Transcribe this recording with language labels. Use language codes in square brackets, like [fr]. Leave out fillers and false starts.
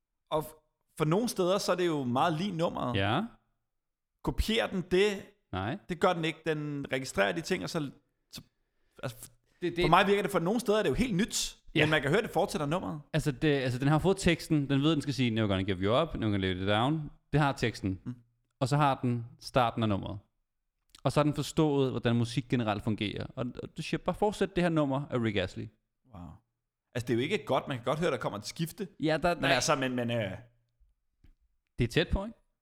[da] Og for nogle steder, så er det jo meget lige nummeret. Ja. Kopierer den det? Nej. Det gør den ikke. Den registrerer de ting, og så... altså, det, for mig virker det, for nogle steder er det jo helt nyt. Ja. Men man kan høre, det fortsætter nummeret. Altså, den har fået teksten. Den ved, den skal sige, [en] never gonna give you up, never gonna leave it down. [da] Det har teksten. Mm. Og så har den starten af nummeret. Og så har den forstået, hvordan musik generelt fungerer. Og du siger, bare fortsæt det her nummer af Rick Astley. Wow. Altså, det er jo ikke godt. Man kan godt høre, der kommer et skifte. Ja, der... Men altså, men det er tæt på, ikke?